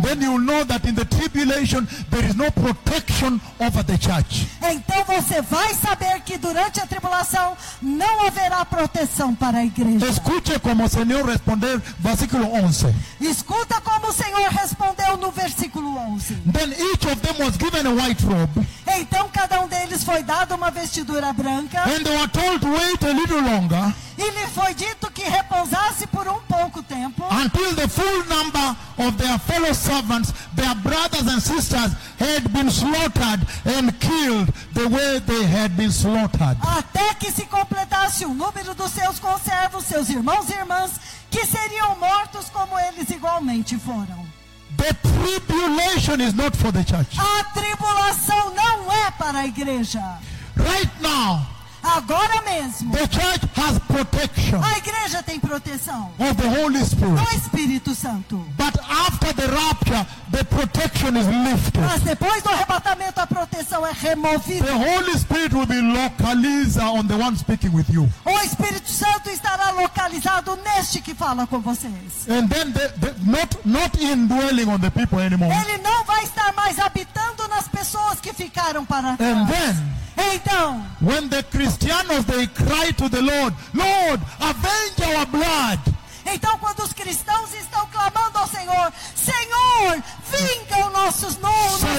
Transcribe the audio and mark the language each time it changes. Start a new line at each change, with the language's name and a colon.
English: Then you know that in the tribulation there is no protection over the church.
Portuguese: Então você vai saber que durante a tribulação não haverá proteção para a igreja.
Spanish: Escuche como Señor responder, versículo 11.
Portuguese: Escuta como o Senhor respondeu no versículo 11.
English: Then each of them was given a white robe.
Portuguese: Então cada um deles foi dado uma vestidura branca.
English: And they were told to wait a little longer.
Portuguese: E lhe foi dito que repousasse por pouco tempo.
English: Until the full number of their fellow servants, their brothers and sisters, had been slaughtered and killed the way they had been slaughtered.
Portuguese: Até que se completasse o número dos seus conservos, seus irmãos e irmãs, que seriam mortos como eles igualmente foram.
English: The tribulation is not for the church.
Portuguese: A tribulação não é para a igreja.
English: Right now,
Portuguese: agora mesmo,
English: the church has protection.
Portuguese: A igreja tem proteção.
English: Of the Holy Spirit.
Portuguese: Do Espírito Santo.
English: But after the rapture, the protection is lifted.
Portuguese: Mas depois do arrebatamento a proteção é removida.
English: The Holy Spirit will be localized on the one speaking with you.
Portuguese: O Espírito Santo estará localizado neste que fala com vocês.
English: And then not indwelling on the people anymore.
Portuguese: Ele não vai estar mais habitando nas pessoas que ficaram para trás.
English: And then,
Portuguese: então,
English: when the Christians, they cry to the Lord, Lord, avenge our blood.
Portuguese: Então, quando os cristãos estão clamando ao Senhor, Senhor, vinga o nosso nome.